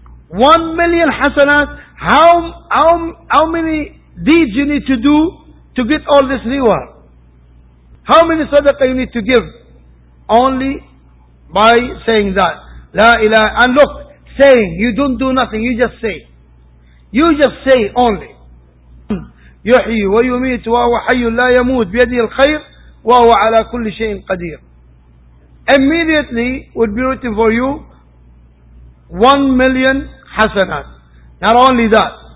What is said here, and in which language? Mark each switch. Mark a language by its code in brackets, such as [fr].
[en] 1,000,000 hasanat, how many deeds you need to do to get all this reward? How many sadaqah you need to give? Only by saying that. La ilaha. And look, saying, you don't do nothing, you just say. You just say only. [ar] يحيي ويميت وهو حي لا يموت بيده الخير وهو على كل شيء قدير. [en] Immediately would be written for you 1,000,000 hasanat. Not only that.